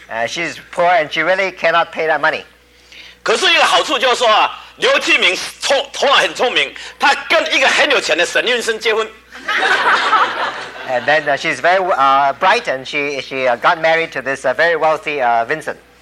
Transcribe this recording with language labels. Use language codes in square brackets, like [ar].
[en] She's poor and she really cannot pay that money. [zh] 可是一个好处就是说,刘继明头脑很聪明,他跟一个很有钱的沈运生结婚。 [en] And then she's very bright and she got married to this very wealthy Vincent.